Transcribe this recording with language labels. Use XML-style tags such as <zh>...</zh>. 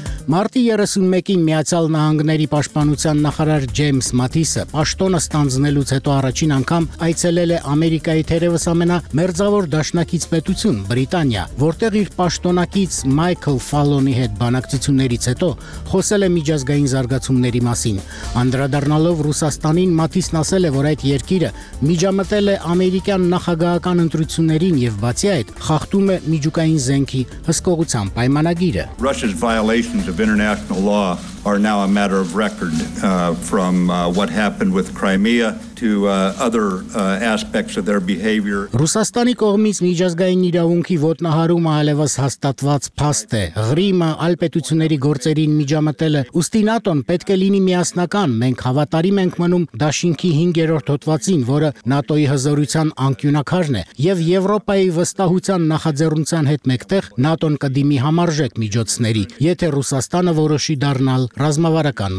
<hy>Մարտի 31-ին Միացյալ Նահանգների Պաշտպանության նախարար Ջեյմս Մաթիսը պաշտոնը ստանձնելուց հետո առաջին անգամ այցելել է Ամերիկայի թերևս ամենամերձավոր դաշնակից պետություն՝ Բրիտանիա, որտեղ իր պաշտոնակից Մայքլ Ֆալոնի հետ բանակցություններից հետո խոսել է միջազգային զարգացումների մասին։ Անդրադառնալով Ռուսաստանին, Մաթիսն ասել է, որ այդ երկիրը միջամտել է ամերիկյան նախագահական ընտրություններին եւ բացի այդ, խախտում է միջուկային զենքի հսկողության պայմանագիրը։</hy> <en>Of international law are now a matter of record from what happened with Crimea to other aspects of their behavior.</en> <hy>Ռուսաստանի կողմից միջազգային իրավունքի ոտնահարում ալևս հաստատված փաստ է։ Ղրիմը ալպետությունների գործերին միջամտելը, ուստի ՆԱՏՕ-ն պետք է լինի միասնական, մենք հավատարիմ ենք մնում Դաշինքի 5-րդ հոդվածին, որը ՆԱՏՕ-ի հզորության անկյունաքարն է, եւ Եվրոպայի վստահության նախաձեռնության հետ մեկտեղ ՆԱՏՕ-ն կդիմի համարժեք միջոցների, եթե Ռուսաստանը որոշի դառնալ ռազմավարական</hy>